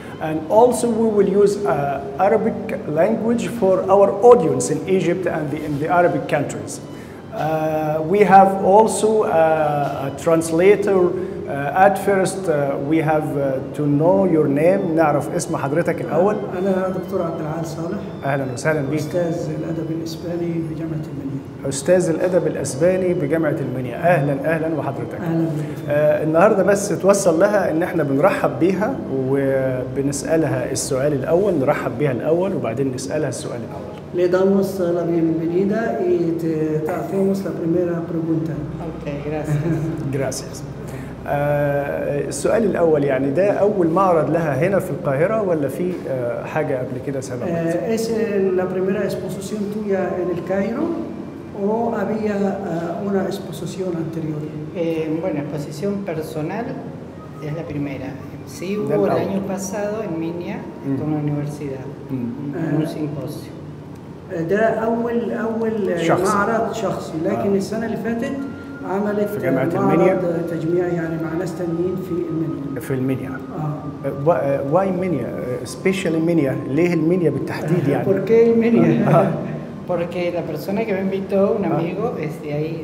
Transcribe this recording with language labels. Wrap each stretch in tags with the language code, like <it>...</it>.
<en>And also we will use Arabic language for our audience in Egypt and in the Arabic countries. We have also a translator. At first we have to know your name.</en> <ar>نعرف اسم حضرتك الأول. أنا دكتور عبد العال صالح. أهلا وسهلا بك. أستاذ الأدب الإسباني بجامعة المنيا. أستاذ الأدب الأسباني بجامعة المنيا. أهلا أهلا وحضرتك. أهلا بك. النهاردة بس توصل لها إن إحنا بنرحب بيها وبنسألها السؤال الأول. نرحب بيها الأول وبعدين نسألها السؤال الأول.</ar> <es>Le damos la bienvenida y te hacemos la primera pregunta. Okay, gracias. Gracias.</es> <ar>السؤال الأول يعني ده أول معرض لها هنا في القاهرة ولا في حاجة قبل كده سبقت؟</ar> <es>Es la primera exposición tuya en el Cairo o había una exposición anterior? Bueno, exposición personal es la primera. Sí, hubo el año pasado en Minia con la universidad, un simposio.</es> <ar>ده أول شخص. معرض شخصي لكن السنة اللي فاتت عملت في جامعة المنيا تجميع يعني مع ناس تانيين في المنيا</ar> <en>why Minya special</en> <ar>منيا ليه المنيا بالتحديد يعني</ar> <es>por qué المنيا porque la persona que me invitó un amigo es de ahí</es>